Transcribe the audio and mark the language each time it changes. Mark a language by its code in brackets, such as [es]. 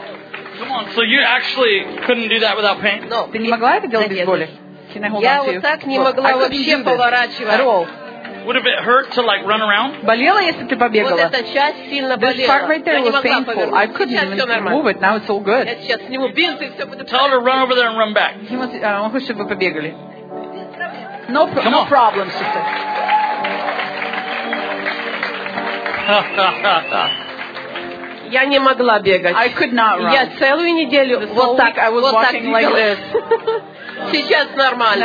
[en] Come on, so you actually couldn't do that without pain? No. [ru] Ты не могла это делать без боли? Я вот так не могла вообще поворачивать. [en] Would it hurt to like run around? [ru] Болело, если ты побегала? Вот эта часть сильно болела. [en] This part right there was painful. I couldn't even move it. Now it's all good. Tell her to run over there and run back. [ru] Он хочет, чтобы вы побегали. [en] No problem. No problem, sister. [ru] Я не могла бегать. [en] I could not run. [ru] Я целую неделю вот так, [en] I was walking like this. [ru] Сейчас нормально.